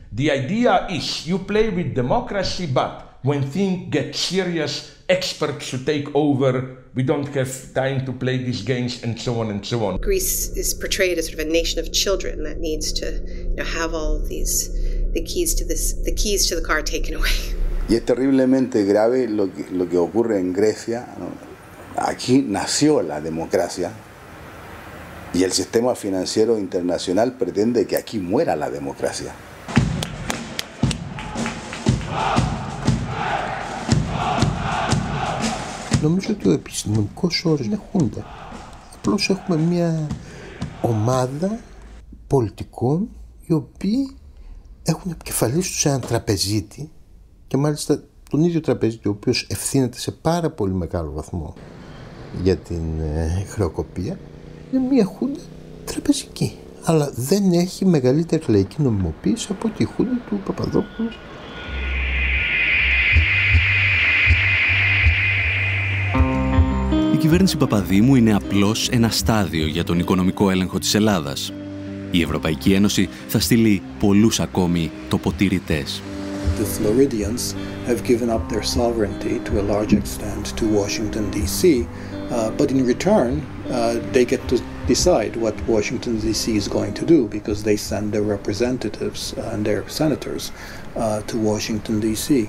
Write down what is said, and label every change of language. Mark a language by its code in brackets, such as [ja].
[en] The idea is you play with democracy, but when things get serious, experts should take over. We don't have time to play these games, and so on and so on. Greece is portrayed as sort of a nation of children that needs to, you know, have all of these the keys to the car taken away. [es] Y es terriblemente grave lo que ocurre en Grecia. Aquí nació la democracia. Y el sistema financiero internacional pretende que aquí muera la democracia. [el] Νομίζω ότι ο επιστημονικός όρος είναι χούντα. Απλώς έχουμε μια ομάδα πολιτικών οι οποίοι έχουν επικεφαλής τους έναν τραπεζίτη και μάλιστα τον ίδιο τραπεζίτη, ο οποίος ευθύνεται σε πάρα πολύ μεγάλο βαθμό για την χρεοκοπία. Είναι μια χούντα τραπεζική, αλλά δεν έχει μεγαλύτερη λαϊκή νομιμοποίηση από τη χούντα του Παπαδόπουλου. Η κυβέρνηση Παπαδήμου είναι απλώς ένα στάδιο για τον οικονομικό έλεγχο της Ελλάδας. Η Ευρωπαϊκή Ένωση θα στείλει πολλούς ακόμη τοποτηρητές. [en] The Floridians have given up their sovereignty to a large extent to Washington DC, but in return they get to decide what Washington DC is going to do because they send their representatives and their senators to Washington DC.